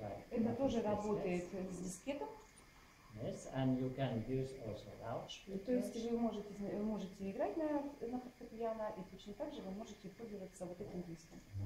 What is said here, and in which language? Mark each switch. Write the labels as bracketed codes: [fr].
[ru] Это тоже работает с дискетом. [en] Yes, and you can use also loudspeakers. [ru] То есть вы можете играть на фортепиано, и точно так же вы можете пользоваться вот этим диском,